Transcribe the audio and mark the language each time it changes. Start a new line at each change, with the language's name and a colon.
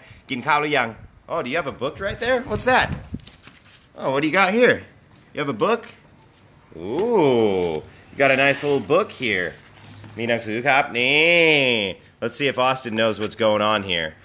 Thai: กินข้าวหรือยัง
English: Oh, do you have a book right there? What's that? Oh, what do you got here? You have a book? Ooh, you got a nice little book here.
Thai: มีหนังสือครับนี่
English: Let's see if Austin knows what's going on here.